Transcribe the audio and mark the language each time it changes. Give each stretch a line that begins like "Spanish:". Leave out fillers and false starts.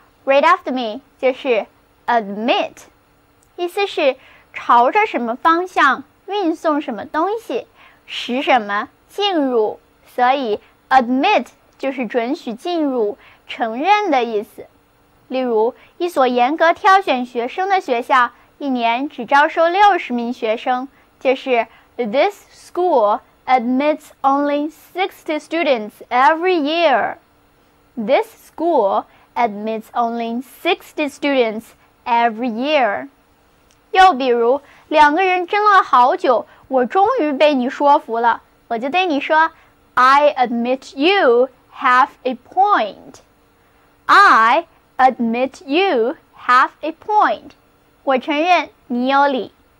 English: Read after me，
Chinese: 就是 admit， 意思是朝着什么方向运送什么东西，使什么进入，所以 admit 就是准许进入、承认的意思。例如，一所严格挑选学生的学校一年只招收60名学生，就是
English: This school admits only 60 students every year。 This schooladmits only 60 students every year。
Chinese: 又比如，两个人争了好久，我终于被你说服了，我就对你说
English: I admit you have a point，
Chinese: I admit you have a point， 我承认你有理。